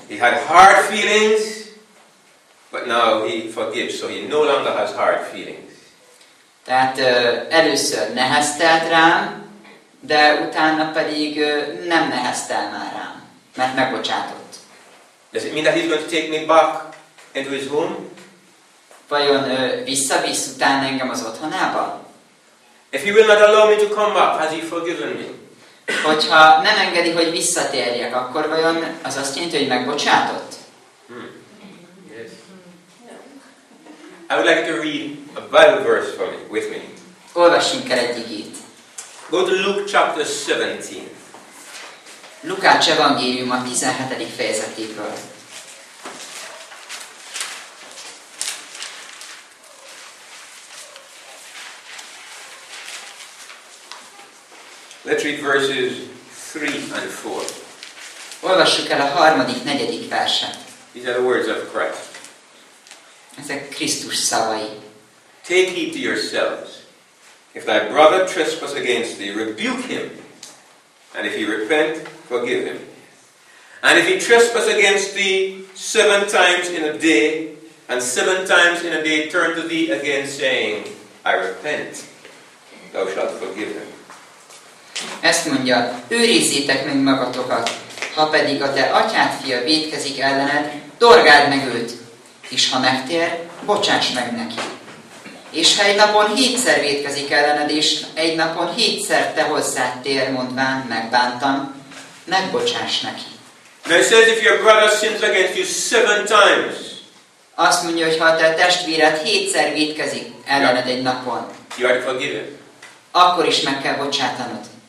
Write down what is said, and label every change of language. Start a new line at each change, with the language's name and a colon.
English: He had hard feelings, but now he forgives, so he no longer has hard feelings.
Hungarian: Tehát először neheztelt rám, de utána pedig nem neheztel már rám, mert megbocsátott.
English: Does it mean that he's going to take me back into his home?
Hungarian: Vajon visszavisz utána engem az otthonába?
English: If he will not allow me to come back, has he forgiven me?
Hungarian: Hogyha nem engedi, hogy visszatérjek, akkor vajon az azt jelenti, hogy megbocsátott?
English: Yes. I would like to read a Bible verse for me, with me.
Hungarian: Olvassunk el egy igét.
English: Go to Luke chapter 17.
Hungarian: Lukács evangélium a 17. fejezetéből.
English: Let's read verses 3 and 4.
Hungarian: Olvassuk el a harmadik, negyedik verset.
English: These are the words of Christ.
Hungarian: Ezek Krisztus szavai.
English: Take heed to yourselves. If thy brother trespass against thee, rebuke him. And if he repent, forgive him. And if he trespass against thee 7 times in a day, and 7 times in a day turn to thee again, saying, I repent, thou shalt forgive him.
Hungarian: Ezt mondja, őrizzétek meg magatokat, ha pedig a te atyád fia vétkezik ellened, dorgáld meg őt, és ha megtér, bocsáss meg neki. És ha egy napon 7-szer vétkezik ellened, és egy napon 7-szer te hozzád tér, mondván, megbántam, megbocsáss neki.
English: Now it says if your brother sins against you 7 times.
Hungarian: Azt mondja, hogy ha a te testvéred 7-szer vétkezik ellened egy napon,
English: you are forgiven.
Hungarian: Akkor is meg kell bocsátanod.